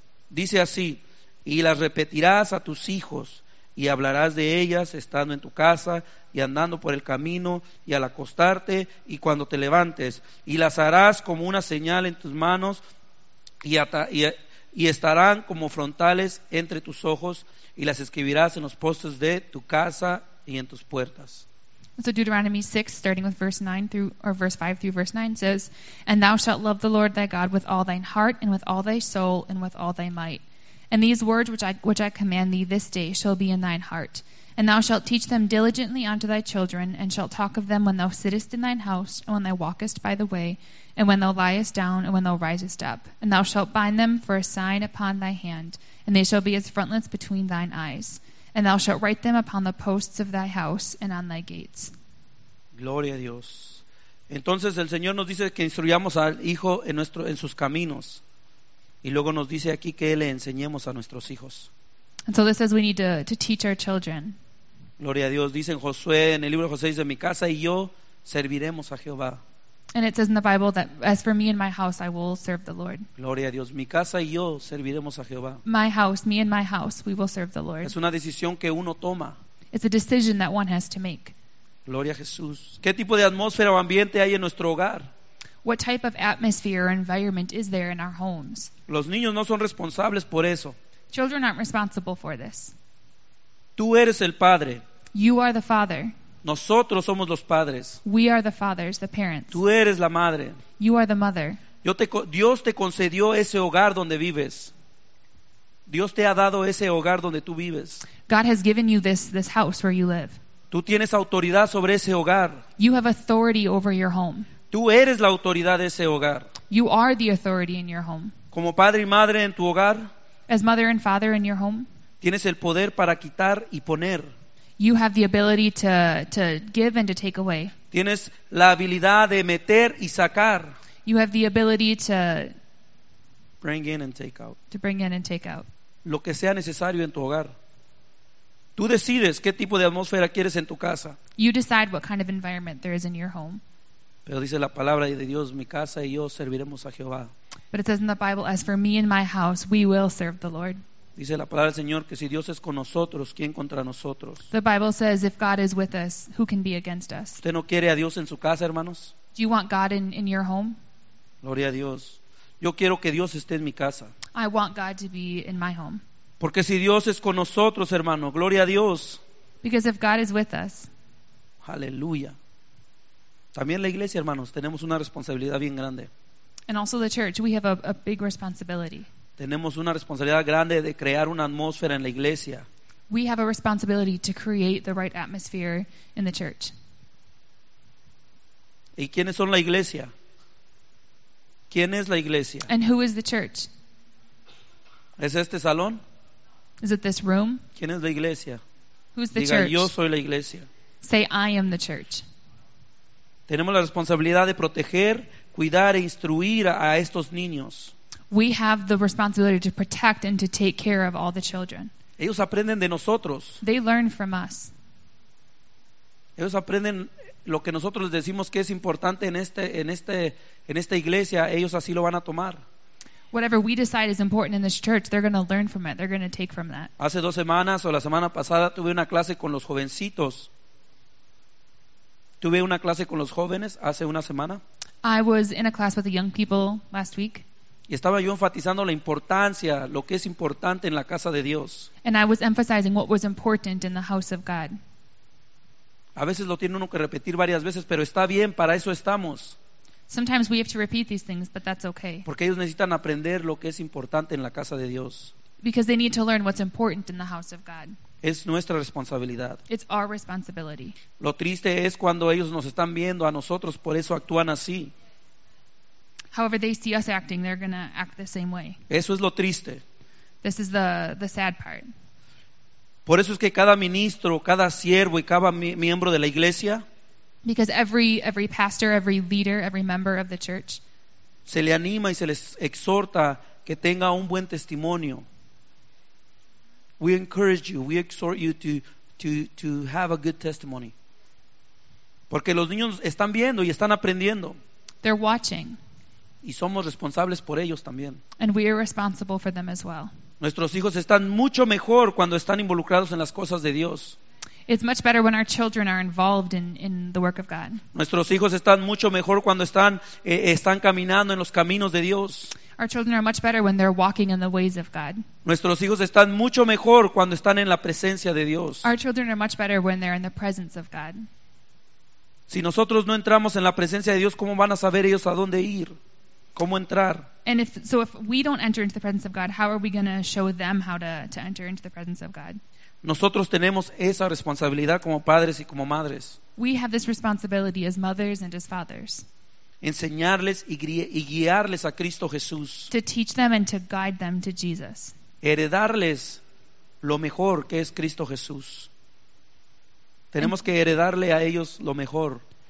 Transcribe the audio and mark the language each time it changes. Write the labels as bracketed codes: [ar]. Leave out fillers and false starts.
[es] Dice así, y las repetirás a tus hijos y hablarás de ellas estando en tu casa y andando por el camino y al acostarte y cuando te levantes. Y las harás como una señal en tus manos y estarán como frontales entre tus ojos, y las escribirás en los postes de tu casa y en tus puertas. [en] So Deuteronomy 6, starting with verse 9 through, or verse 5 through verse 9 says, "And thou shalt love the Lord thy God with all thine heart and with all thy soul and with all thy might. And these words which I command thee this day shall be in thine heart. And thou shalt teach them diligently unto thy children, and shalt talk of them when thou sittest in thine house, and when thou walkest by the way, and when thou liest down, and when thou risest up. And thou shalt bind them for a sign upon thy hand, and they shall be as frontlets between thine eyes. And thou shalt write them upon the posts of thy house and on thy gates." [es] Gloria a Dios. Entonces el Señor nos dice que instruyamos al hijo en sus caminos. Y luego nos dice aquí que le enseñemos a nuestros hijos. [en] And so this says we need to teach our children. [es] Gloria a Dios. Dice en Josué, en el libro de Josué, dice: "Mi casa y yo serviremos a Jehová." [en] And it says in the Bible that as for me and my house, I will serve the Lord. [es] Gloria a Dios. Mi casa y yo serviremos a Jehová. [en] My house, me and my house, we will serve the Lord. [es] Es una decisión que uno toma. [en] It's a decision that one has to make. [es] Gloria a Jesús. ¿Qué tipo de atmósfera o ambiente hay en nuestro hogar? [en] What type of atmosphere or environment is there in our homes? [es] Los niños no son responsables por eso. [en] Children aren't responsible for this. [es] Tú eres el padre. [en] You are the father. [es] Nosotros somos los padres. [en] We are the fathers, the parents. [es] Tú eres la madre. [en] You are the mother. [es] Dios te concedió ese hogar donde vives. Dios te ha dado ese hogar donde tú vives. [en] God has given you this house where you live. [es] Tú tienes autoridad sobre ese hogar. [en] You have authority over your home. [es] Tú eres la autoridad de ese hogar. [en] You are the authority in your home. [es] Como padre y madre en tu hogar, [en] as mother and father in your home, [es] tienes el poder para quitar y poner. [en] You have the ability to give and to take away. [es] Tienes la habilidad de meter y sacar. [en] You have the ability to bring in and take out. To bring in and take out. [es] Lo que sea necesario en tu hogar. Tú decides qué tipo de atmósfera quieres en tu casa. [en] You decide what kind of environment there is in your home. [es] Pero dice la palabra de Dios: "Mi casa y yo serviremos a Jehová." [en] But it says in the Bible, "As for me and my house, we will serve the Lord." [es] Dice la palabra del Señor que si Dios es con nosotros, ¿quién contra nosotros? [en] The Bible says, if God is with us, who can be against us? [es] ¿Usted no quiere a Dios en su casa, hermanos? [en] Do you want God in your home? [es] Gloria a Dios. Yo quiero que Dios esté en mi casa. [en] I want God to be in my home. [es] Porque si Dios es con nosotros, hermano, gloria a Dios. [en] Because if God is with us. [es] Aleluya. También la iglesia, hermanos, tenemos una responsabilidad bien grande. [en] And also the church, we have a big responsibility. [es] Tenemos una responsabilidad grande de crear una atmósfera en la iglesia. [en] We have a responsibility to create the right atmosphere in the church. [es] ¿Y quiénes son la iglesia? ¿Quién es la iglesia? [en] And who is the church? [es] ¿Es este salón? [en] Is it this room? [es] ¿Quién es la iglesia? [en] Who's the [es] Diga, [en] church? [es] Yo soy la iglesia. [en] Say, I am the church. [es] Tenemos la responsabilidad de proteger, cuidar e instruir a estos niños. [en] We have the responsibility to protect and to take care of all the children. [es] Ellos aprenden de nosotros. [en] They learn from us. [es] Ellos aprenden lo que nosotros les decimos que es importante en esta iglesia, ellos así lo van a tomar. [en] Whatever we decide is important in this church, they're going to learn from it. They're going to take from that. [es] Hace dos semanas o la semana pasada tuve una clase con los jovencitos. Tuve una clase con los jóvenes hace una semana. [en] I was in a class with the young people last week. [es] Y estaba yo enfatizando la importancia, lo que es importante en la casa de Dios. [en] And I was emphasizing what was important in the house of God. [es] A veces lo tiene uno que repetir varias veces, pero está bien, para eso estamos. [en] Sometimes we have to repeat these things, but that's okay. [es] Porque ellos necesitan aprender lo que es importante en la casa de Dios. [en] Because they need to learn what's important in the house of God. [es] Es nuestra responsabilidad. [en] It's our responsibility. [es] Lo triste es cuando ellos nos están viendo a nosotros, por eso actúan así. [en] However they see us acting, they're going to act the same way. [es] Eso es lo triste. [en] This is the sad part. [es] Por eso es que cada ministro, cada siervo y cada miembro de la iglesia, [en] because every pastor, every leader, every member of the church, [es] se le anima y se les exhorta que tenga un buen testimonio. [en] We encourage you, we exhort you to have a good testimony. [es] Porque los niños están viendo y están aprendiendo. [en] They're watching. [es] Y somos responsables por ellos también. [en] And we are responsible for them as well. [es] Nuestros hijos están mucho mejor cuando están involucrados en las cosas de Dios. [en] It's much better when our children are involved in the work of God. [es] Nuestros hijos están mucho mejor cuando están caminando en los caminos de Dios. [en] Our children are much better when they're walking in the ways of God. [es] Nuestros hijos están mucho mejor cuando están en la presencia de Dios. [en] Our children are much better when they're in the presence of God. [es] Si nosotros no entramos en la presencia de Dios, ¿cómo van a saber ellos a dónde ir? ¿Cómo entrar? [en] And if we don't enter into the presence of God, how are we going to show them how to enter into the presence of God? [es] Nosotros tenemos esa responsabilidad como padres y como madres. [en] We have this responsibility as mothers and as fathers. [es] Enseñarles y guiarles a Cristo Jesús. [en] To teach them and to guide them to Jesus. [es] Heredarles lo mejor que es Cristo Jesús. Tenemos que heredarle a ellos lo mejor.